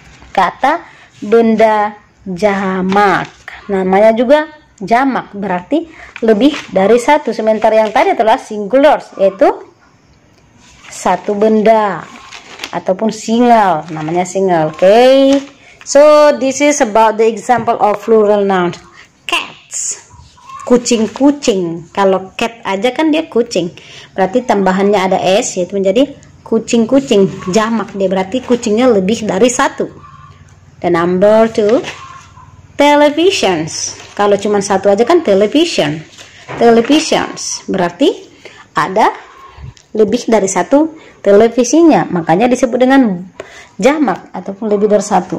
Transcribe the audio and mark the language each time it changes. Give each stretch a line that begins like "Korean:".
Indonesian: Kata benda jamak. Namanya juga jamak, berarti lebih dari satu. Sementara yang tadi adalah singulars, yaitu satu benda ataupun single, namanya single. Oke.
English: So this is about the example of plural noun.
Indonesian: Cats, kucing-kucing. Kalau cat aja kan dia kucing, berarti tambahannya ada s, yaitu menjadi kucing-kucing, jamak dia, berarti kucingnya lebih dari satu.
English: The number two, televisions.
Indonesian: Kalau cuma satu aja kan television, televisions, berarti ada lebih dari satu televisinya, makanya disebut dengan jamak ataupun lebih dari satu.